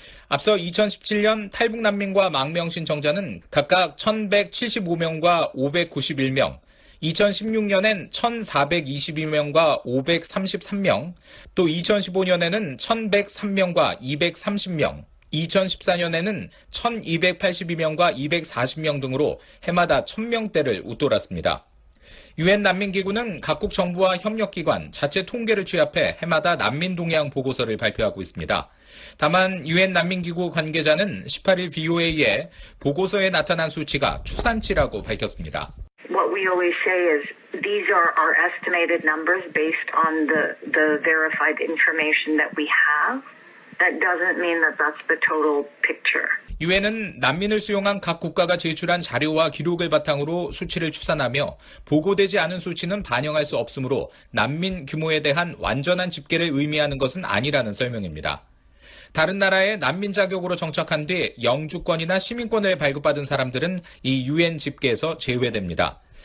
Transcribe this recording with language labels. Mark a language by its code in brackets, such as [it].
[ko] 앞서 2017년 탈북 난민과 망명 신청자는 각각 1,175명과 591명, 2016년엔 1,422명과 533명, 또 2015년에는 1,103명과 230명, 2014년에는 1,282명과 240명 등으로 해마다 1,000명대를 웃돌았습니다. 유엔 난민기구는 각국 정부와 협력기관, 자체 통계를 취합해 해마다 난민 동향 보고서를 발표하고 있습니다. 다만 유엔 난민기구 관계자는 18일 VOA에 보고서에 나타난 수치가 추산치라고 밝혔습니다. [en] What we always say is these are our estimated numbers based on the verified information that we have. That doesn't mean that that's the total picture. [ko] 유엔은 난민을 수용한 각 국가가 제출한 자료와 기록을 바탕으로 수치를 추산하며 보고되지 않은 수치는 반영할 수 없으므로 난민 규모에 대한 완전한 집계를 의미하는 것은 아니라는 설명입니다. 다른 나라에 난민 자격으로 정착한 뒤 영주권이나 시민권을 발급받은 사람들은 이 유엔 집계에서 제외됩니다.